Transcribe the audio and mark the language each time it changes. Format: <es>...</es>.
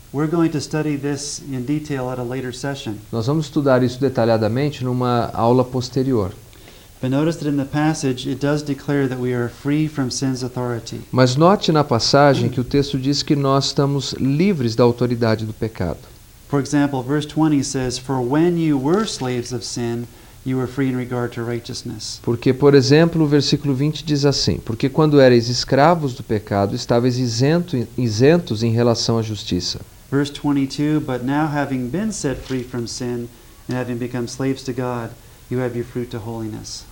<en>We're going to study this in detail at a later session.</en> <pt>Nós vamos estudar isso detalhadamente numa aula posterior.</pt> <en>But notice that in the passage it does declare that we are free from sin's authority.</en> <pt>Mas note na passagem que o texto diz que nós estamos livres da autoridade do pecado.</pt> <en>For example, verse 20 says, "For when you were slaves of sin, you were free in regard to righteousness."</en> <pt>Porque, por exemplo, o versículo 20 diz assim: "Porque quando erais escravos do pecado, estavais isentos em relação à justiça."</pt> <en>Verse 22, "But now having been set free from sin and having become slaves to God, you have your fruit to holiness."</en>